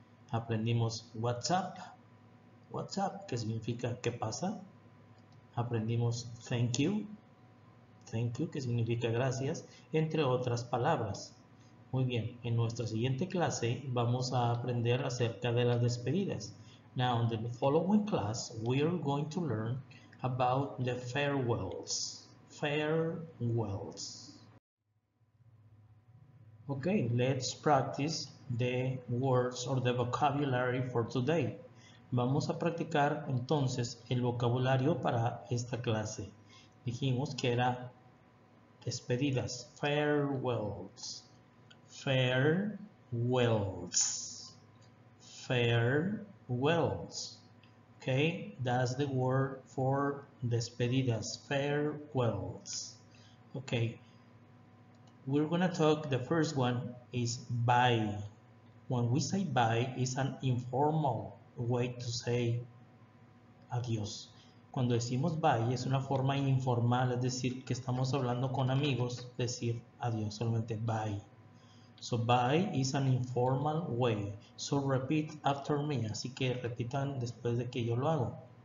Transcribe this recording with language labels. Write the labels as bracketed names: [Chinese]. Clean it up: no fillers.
[Spanish] Aprendimos [English] what's up. What's up, [Spanish] que significa qué pasa. Aprendimos [English] thank you, thank you, [Spanish] que significa gracias, entre otras palabras. Muy bien, en nuestra siguiente clase vamos a aprender acerca de las despedidas. [English] Now, in the following class, we are going to learn about the farewells. Farewells. Okay, let's practice the words or the vocabulary for today. [Spanish] Vamos a practicar entonces el vocabulario para esta clase. Dijimos que era despedidas, farewells, farewells, farewells. [English] Okay, that's the word for despedidas, farewells. Okay, we're gonna talk, the first one is bye. When we say bye, it's an informal way to say adiós. [Spanish] Cuando decimos bye es una forma informal, es decir, que estamos hablando con amigos, decir adiós, solamente bye. [English] So bye is an informal way. So repeat after me, [Spanish] así que repitan después de que yo lo hago.